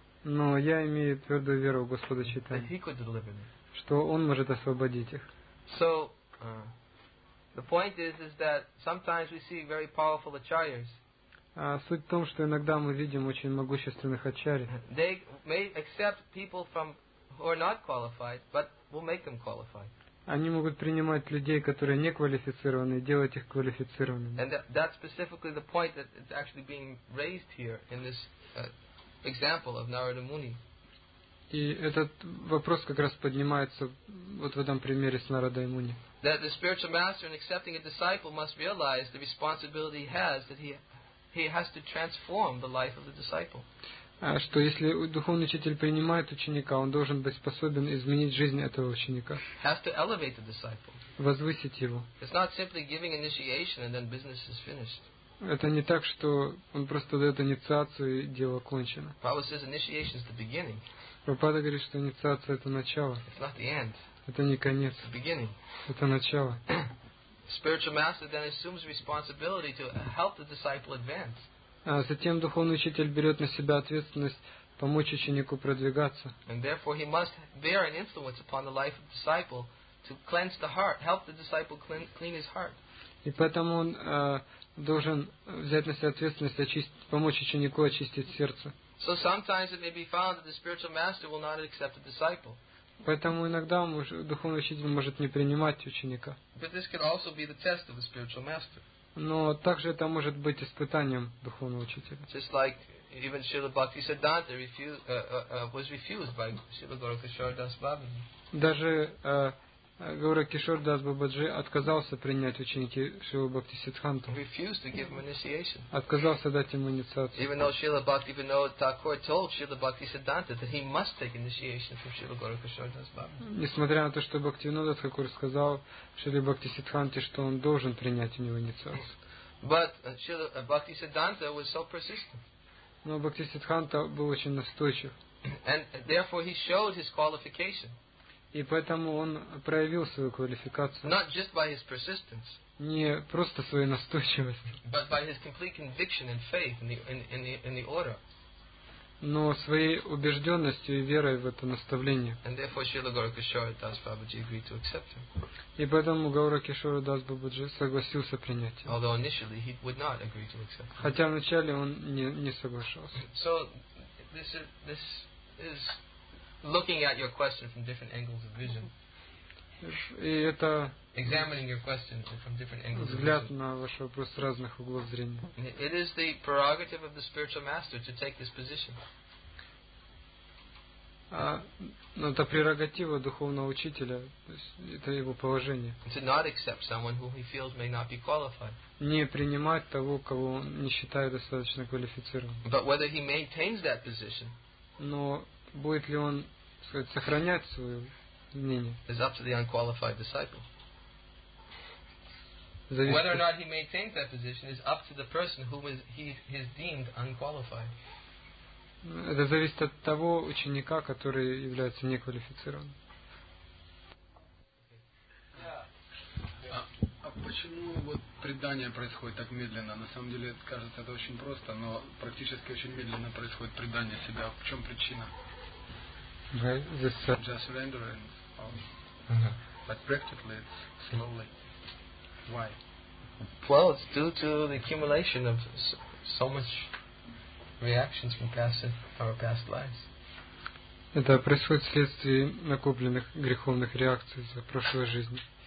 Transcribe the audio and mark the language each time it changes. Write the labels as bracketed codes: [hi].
[ru] Но я имею твердую веру в Господа Чайтанью. [en] That he could deliver me. [ru] Что он может освободить их. [en] So, the point is that sometimes we see very powerful acharyas. [ru] Суть в том, что иногда мы видим очень могущественных ачарий. [en] They may accept people from who are not qualified, but will make them qualified. [ru] Они могут принимать людей, которые не квалифицированы, и делать их квалифицированными. [en] And that's specifically the point that is actually being raised here in this example of Narada Muni. [ru] И этот вопрос как раз поднимается вот в этом примере с Нарадой Муни. [en] That the spiritual master in accepting a disciple must realize the responsibility he has, that he has to transform the life of the disciple. [ru] Что если духовный учитель принимает ученика, он должен быть способен изменить жизнь этого ученика. [en] Has to elevate the disciple. [ru] Возвысить его. [en] It's not simply giving initiation and then business is finished. [ru] Это не так, что он просто дает инициацию и дело кончено. [en] Prabhupada says initiation is the beginning. [ru] Прабхупада говорит, что инициация — это начало. [en] It's not the end. [ru] Это не конец. [en] It's the beginning. [ru] Это начало. [en] Spiritual master then assumes responsibility to help the disciple advance. [ru] Затем духовный учитель берет на себя ответственность помочь ученику продвигаться. [en] And therefore he must bear an influence upon the life of the disciple to cleanse the heart, help the disciple clean his heart. [ru] И поэтому он должен взять на себя ответственность помочь ученику очистить сердце. [en] So sometimes it may be found that the spiritual master will not accept a disciple. [ru] Поэтому иногда духовный учитель может не принимать ученика. [en] But this could also be the test of the spiritual master. [ru] Но также это может быть испытанием духовного учителя. [en] Just like even Srila Bhaktisiddhanta was refused by Srila Gaura Kishora Das Babaji. [ru] Даже Гаура Кишора Дас Бабаджи отказался принять ученики Шрилы Бхактисиддханту. [en] Refused to give him initiation. [ru] Отказался дать ему инициацию. [en] Even though Srila Bhaktivinoda Thakur told Srila Bhaktisiddhanta that he must take initiation from Srila Gaura Kishora Das Babaji. [ru] Несмотря на то, что Бхактивинода Такур сказал Шриле Бхактисиддханте, что он должен принять у него инициацию. [en] But Srila Bhaktisiddhanta was so persistent. [ru] Но Бхактисиддханта был очень настойчив. [en] And therefore he showed his qualification. [ru] И поэтому он проявил свою квалификацию. [en] Not just by his persistence. [ru] Не просто своей настойчивостью. [en] But by his complete conviction and faith in the order. [ru] Но своей убежденностью и верой в это наставление. [en] And therefore Srila Gaura Kishora Das Babaji agreed to accept him. [ru] И поэтому Гаура Кишора Дас Бабаджи согласился принять его. [en] Although initially he would not agree to accept him. [ru] Хотя вначале он не соглашался. [en] So this is looking at your question from different angles of vision. Examining your question from different angles of vision. It is the prerogative of the spiritual master to take this position. [ru] Это прерогатива духовного учителя, то есть это его положение. [en] To not accept someone who he feels may not be qualified. [ru] Не принимать того, кого он не считает достаточно квалифицированным. [en] But whether he maintains that position. [ru] Но будет ли он сохранять свое мнение. [en] It's up to the unqualified disciple. Whether or not he maintains that position is up to the person whom he is deemed unqualified. [ru] Это зависит от того ученика, который является неквалифицированным. А почему вот предание происходит так медленно? На самом деле, кажется, это очень просто, но практически очень медленно происходит предание себя. В чем причина? [en] Right. This, just rendering, but practically it's slowly. Why? Well, it's due to the accumulation of so much reactions from our past lives. [ru] Это происходит вследствие накопленных греховных реакций за прошлой жизни.